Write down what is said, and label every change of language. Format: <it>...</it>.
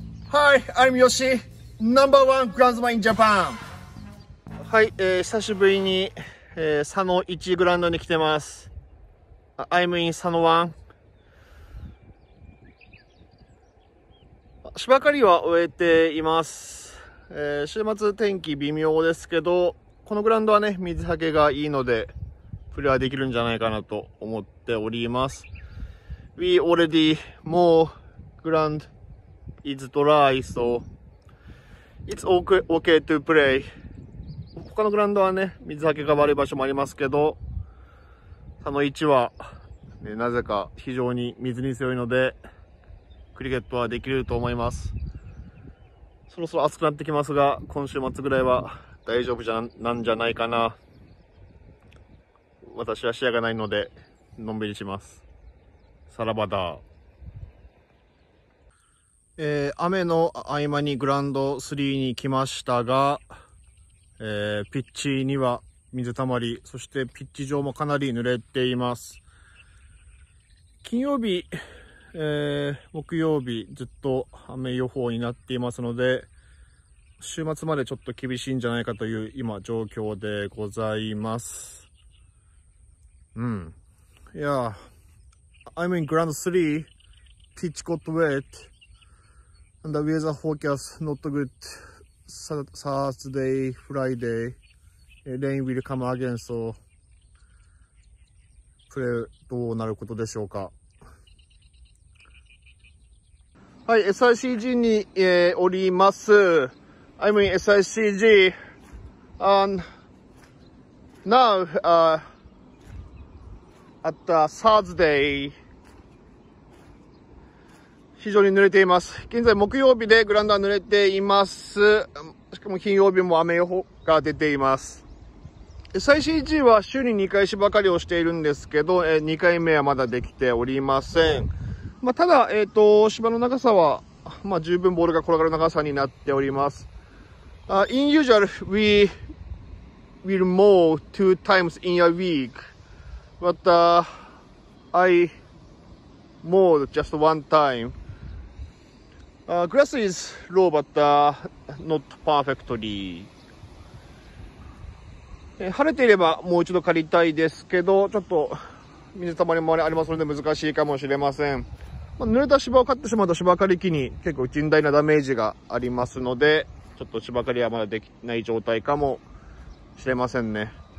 <en>Hi, I'm Yoshi, number one groundsman in Japan.</en> <ja>はい、久しぶりに、佐野1グラウンドに来てます。</ja> <en>I'm in 佐野1。</en> <ja>芝刈りは終えています。週末天気微妙ですけど、このグラウンドはね、水はけがいいのでプレーはできるんじゃないかなと思っております。</ja> <en>We already more ground is dry, so it's okay to play.</en> <ja>他のグラウンドはね、水はけが悪い場所もありますけど、その位置は、ね、なぜか非常に水に強いのでクリケットはできると思います。そろそろ暑くなってきますが、今週末ぐらいは大丈夫じゃなんじゃないかな。私は視野がないのでのんびりします。さらばだ。雨の合間にグラウンド3に来ましたが、ピッチには水たまり、そしてピッチ上もかなり濡れています。金曜日、木曜日ずっと雨予報になっていますので、週末までちょっと厳しいんじゃないかという今状況でございます。うん、いや、</ja> <en>I'm in ground 3, pitch got wet and the weather forecast not good Saturday, Friday, rain will come again, so play</en> <ja>どうなることでしょうか。はい、SICG に、おります。</ja> <en>I'm in SICG and now、at Thursday</en> <ja>非常に濡れています。現在木曜日でグラウンドは濡れています。しかも金曜日も雨予報が出ています。 SICG は週に2回芝刈りをしているんですけど、2回目はまだできておりません。まあ、ただ、芝の長さは、まあ、十分ボールが転がる長さになっております。</ja> <en>In usual, we will mow two times in a week, but I mowed just one time. Grass is low, but not perfectly.</en> <ja>晴れていればもう一度刈りたいですけど、ちょっと水たまりもありますので難しいかもしれません。まあ、濡れた芝を刈ってしまうと芝刈り機に結構甚大なダメージがありますので、ちょっと芝刈りはまだできない状態かもしれませんね。</ja>